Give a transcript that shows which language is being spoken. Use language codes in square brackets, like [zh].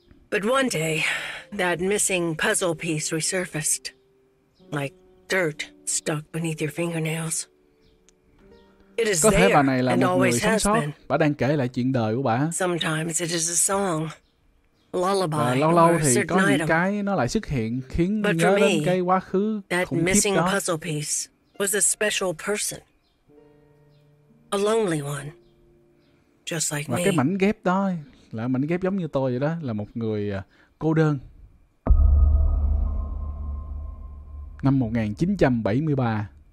[en] But one day, that missing puzzle piece resurfaced, like dirt stuck beneath your fingernails. It is there. [vi] Bà này là một người sống sót. Bà đang kể lại chuyện đời của bà. [en] Sometimes it is a song. [vi] Và lâu lâu thì có những cái nó lại xuất hiện khiến nhớ đến cái quá khứ khủng khiếp đó. [en] Puzzle piece was a special person. A lonely one. Just like và me. [vi] Cái mảnh ghép đó là mảnh ghép giống như tôi vậy đó, là một người cô đơn. năm 1973.